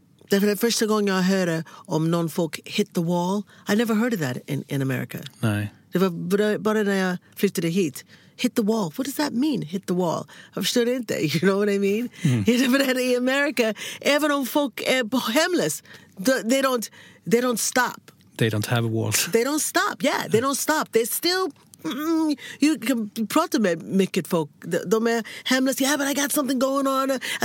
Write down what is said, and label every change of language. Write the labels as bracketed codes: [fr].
[sv] Därför att första gången jag hörde om någon folk [en] hit the wall, I never heard of that in America. [sv] Nej. Det var bara när jag flyttade hit. [en] Hit the wall, what does that mean, hit the wall? [sv] Jag förstår inte, [en] you know what I mean? [sv] Därför att i America, även om folk är hemlös, [en] they don't stop. They don't have walls. They don't stop, yeah, they don't stop. They're still, you can [sv] prata med mycket folk. De är hemlös, [en] yeah, but I got something going on.